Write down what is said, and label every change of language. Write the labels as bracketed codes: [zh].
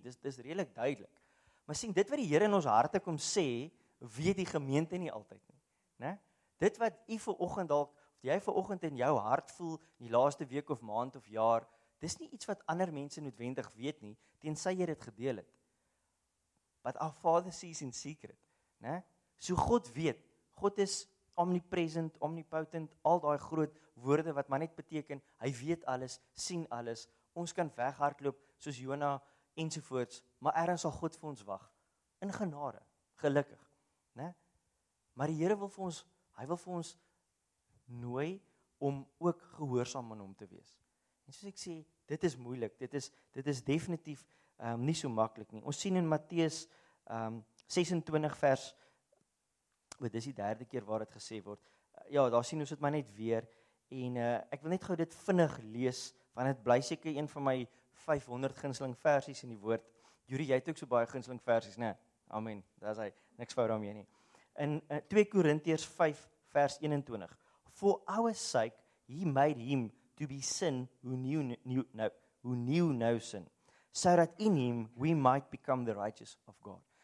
[af] Dis redelik duidelik. Maar sien, dit wat die Here in ons harte kom sê, weet die gemeente nie altyd nie, né? Dit wat u vanoggend dalk of jy vanoggend in jou hart voel in die laaste week of maand of jaar, dis nie iets wat ander mense noodwendig weet nie, tensy jy dit gedeel het. [en] But our Father sees in secret, né? So [af] God weet. [en] God is omnipresent, omnipotent, [af] al daai groot woorde wat maar net beteken, hy weet alles, sien alles, ons kan weghardloop soos Jona ensovoorts, maar ergens sal God vir ons wag, in genade, gelukkig. Ne? Maar die Here wil vir ons, hy wil vir ons nooi om ook gehoorsaam aan hom te wees. En soos ek sê, dit is moeilik, dit is definitief nie so maklik nie. Ons sien in Matteus 26 vers, dis die derde keer waar dit gesê word, ja, daar sien ons het maar net weer, en ek wil net gou dit vinnig lees, want het bly seker een van my 500 gunsteling versies in die woord. Jurie, jy het ook so baie gunsteling versies, ne? Amen, daar is hy, niks fout daarmee nie. In 2 Korintiërs 5 vers 21, [en] For our sake, he made him to be sin, who knew no sin, so that in him we might become the righteous of God.